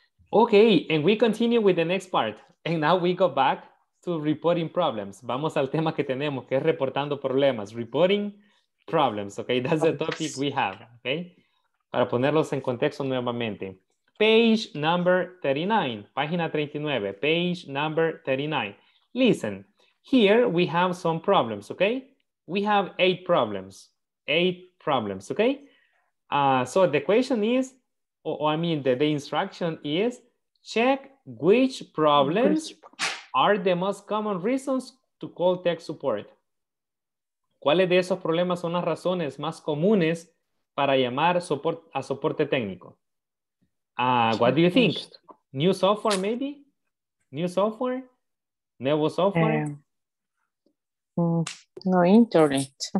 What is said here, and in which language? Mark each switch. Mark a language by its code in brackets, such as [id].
[en] Okay, and we continue with the next part. And now we go back to reporting problems. [es] Vamos al tema que tenemos, que es reportando problemas. [en] Reporting problems, okay? That's the topic we have, okay? Para ponerlos en contexto nuevamente. Page number 39, página 39, page number 39. Listen, here we have some problems, okay? we have eight problems, okay? So the question is, the instruction is, check which problems are the most common reasons to call tech support. [es] ¿Cuáles de esos problemas son las razones más comunes para llamar soporte técnico? [en] What do you think? New software, maybe? New software? Nuevo software? No internet.